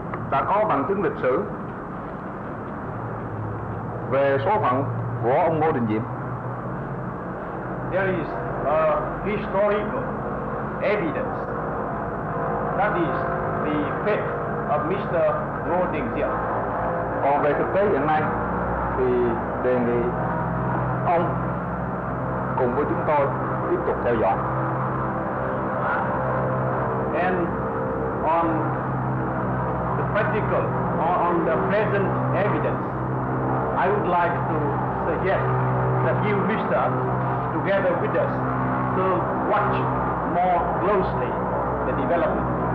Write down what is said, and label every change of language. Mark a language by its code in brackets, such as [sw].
[vi] Đã có bằng chứng lịch sử về số phận của ông Ngô Đình Diệm. [en] There is a historical evidence that is the fate of Mr. Ngô Đình Diệm. [vi] Còn về thực tế hiện nay thì đề nghị ông cùng với chúng tôi tiếp tục theo dõi. [en] And on practical or on the present evidence, I would like to suggest that you, Mr., together with us, to watch more closely the development.